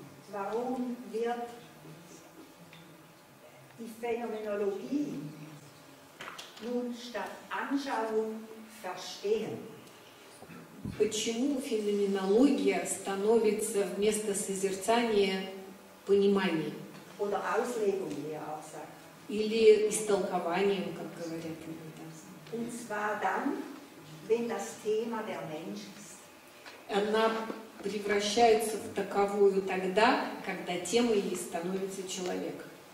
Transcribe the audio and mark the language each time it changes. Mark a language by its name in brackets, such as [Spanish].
[German] Warum wird die Phänomenologie nun statt Anschauung verstehen? [Russian] Почему феноменология становится вместо созерцания пониманием? [German] Oder Auslegung, wie er auch sagt. [Russian] Или истолкованием, как говорят иногда. [German] Und zwar dann, wenn das Thema der Mensch ist. [Russian] Она превращается в таковую тогда, когда темой ей становится человек.